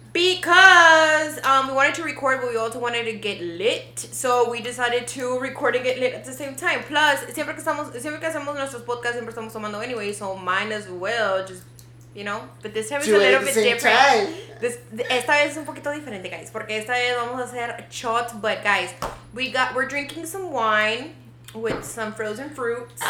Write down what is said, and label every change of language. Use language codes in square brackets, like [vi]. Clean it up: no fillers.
[en] Because we wanted to record, but we also wanted to get lit. So we decided to record and get lit at the same time. [es] Plus, siempre que hacemos nuestros podcasts, siempre estamos tomando anyway. [en] So might as well just, you know. But this time is a little bit different. Time. [es] Esta vez es un poquito diferente, guys. Porque esta vez vamos a hacer shots. [en] But guys, we're drinking some wine with some frozen fruits.